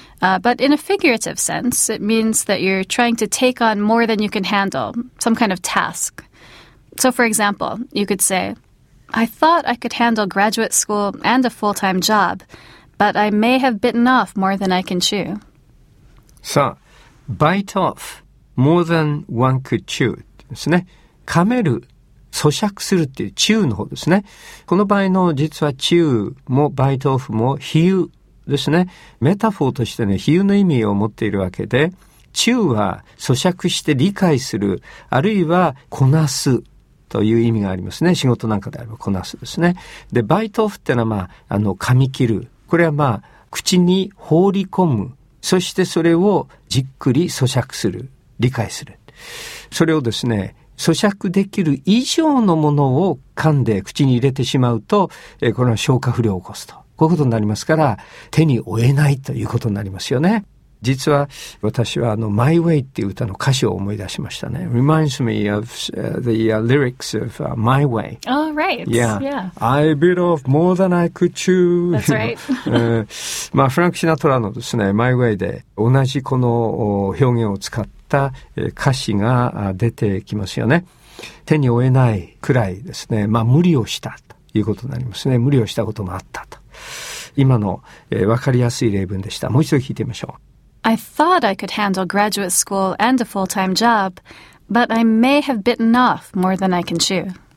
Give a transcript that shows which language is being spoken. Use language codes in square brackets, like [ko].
[en] But in a figurative sense, it means that you're trying to take on more than you can handle, some kind of task. So for example, you could say, I thought I could handle graduate school and a full-time job, but I may have bitten off more than I can chew. So... Bite off more than one could chew [ja] ですね。噛める、咀嚼するっていう chew の方ですね。この場合の実は chew も bite off も比喩ですね。メタフォーとしてね、比喩の意味を持っているわけで、chew は咀嚼して理解する、あるいはこなすという意味がありますね。仕事なんかであればこなすですね。で、bite off ってのはまあ、噛み切る。これはまあ、口に放り込む。そしてそれをじっくり咀嚼する、理解する。それをですね、咀嚼できる以上のものを噛んで口に入れてしまうと、これは消化不良を起こすとこういうことになりますから、手に負えないということになりますよね。実は私はMy Way っていう歌の歌詞を思い出しましたね。 [en] Reminds me of the lyrics of My Way. Oh, right. Yeah. I bit off more than I could chew. That's right. 、 [ja] まあ、フランク・シナトラのですね、My Way で同じこの表現を使った歌詞が出てきますよね。手に負えないくらいですね、まあ無理をしたということになりますね。無理をしたこともあったと。今の、分かりやすい例文でした。もう一度聞いてみましょう。 [en] I thought I could handle graduate school and a full-time job, but I may have bitten off more than I can chew.